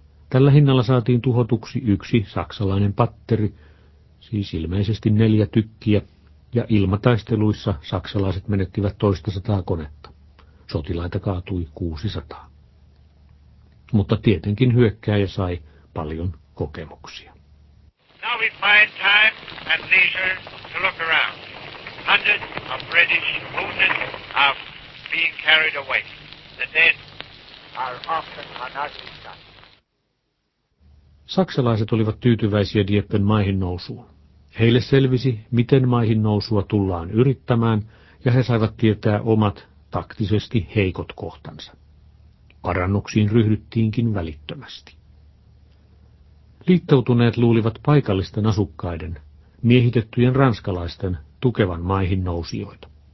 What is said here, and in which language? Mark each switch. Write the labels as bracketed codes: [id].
[fi] Tällä hinnalla saatiin tuhotuksi 1 saksalainen patteri, siis ilmeisesti 4 tykkiä, ja ilmataisteluissa saksalaiset menettivät 200 konetta. Sotilaita kaatui 600. Mutta tietenkin hyökkääjä sai paljon kokemuksia. [en] Now we find time and leisure to look around. Hundreds of British wounded are being carried away. The dead are often an ugly sight. [fi] Saksalaiset olivat tyytyväisiä Dieppen maihin nousuun. Heille selvisi, miten maihin nousua tullaan yrittämään, ja he saivat tietää omat taktisesti heikot kohtansa. Parannuksiin ryhdyttiinkin välittömästi. Liittoutuneet luulivat paikallisten asukkaiden, miehitettyjen ranskalaisten, tukevan maihin nousijoita.